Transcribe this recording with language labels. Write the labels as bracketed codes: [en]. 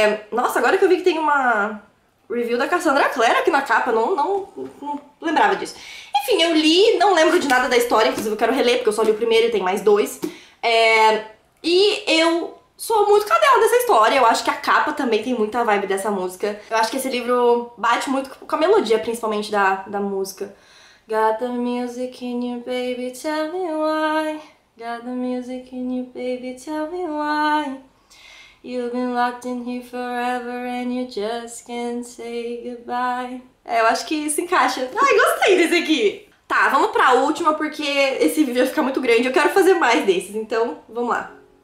[pt] Nossa, agora que eu vi que tem uma review da Cassandra Clare aqui na capa, não lembrava disso. Enfim, eu li, não lembro de nada da história, inclusive eu quero reler, porque eu só li o primeiro e tem mais dois. E eu sou muito cadela dessa história, eu acho que a capa também tem muita vibe dessa música. Eu acho que esse livro bate muito com a melodia, principalmente da música. [en] Got the music in you, baby, tell me why. Got the music in you, baby, tell me why. You've been locked in here forever and you just can't say goodbye. [pt] Eu acho que isso encaixa. Ai, gostei desse aqui! Tá, vamos pra última porque esse vídeo vai ficar muito grande. Eu quero fazer mais desses, então vamos lá.